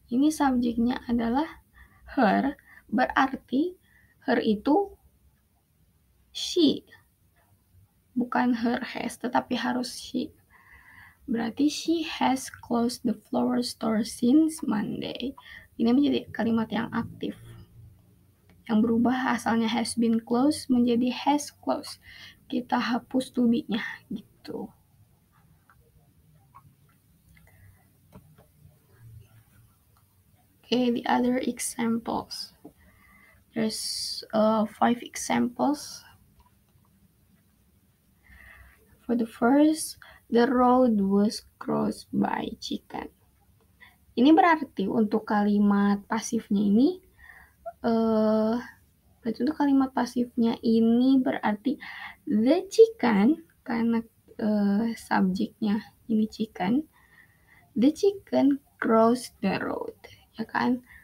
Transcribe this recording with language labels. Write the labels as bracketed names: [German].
[Indonesian] Ini subjeknya adalah her, berarti her itu she. Bukan her has, tetapi harus she. Berarti [English] she has closed the flower store since Monday. [Indonesian] Ini menjadi kalimat yang aktif. Yang berubah asalnya [English] has been closed [Indonesian] menjadi [English] has closed. [Indonesian] Kita hapus to be-nya gitu. [English] Okay, the other examples. There's 5 examples. For the first, the road was crossed by chicken. [Indonesian] Ini berarti untuk kalimat pasifnya ini, berarti untuk kalimat pasifnya ini berarti the chicken, karena subjeknya ini chicken, [English] the chicken crossed the road. [Indonesian] Ya kan,